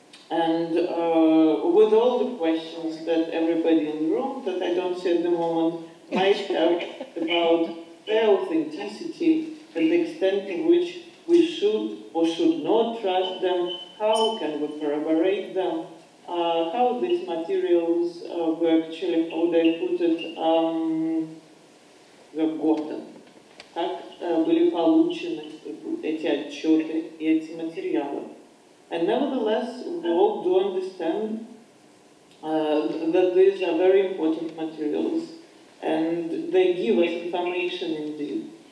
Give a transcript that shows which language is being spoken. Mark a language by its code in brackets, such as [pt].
[en] And with all the questions that everybody in the room, that I don't see at the moment, might have about their authenticity and the extent to which we should or should not trust them, how can we corroborate them, how these materials were actually, how they put it, gotten. [ru] Как были получены эти отчеты и эти материалы. [en] And nevertheless, we all do understand that these are very important materials and they give us information indeed.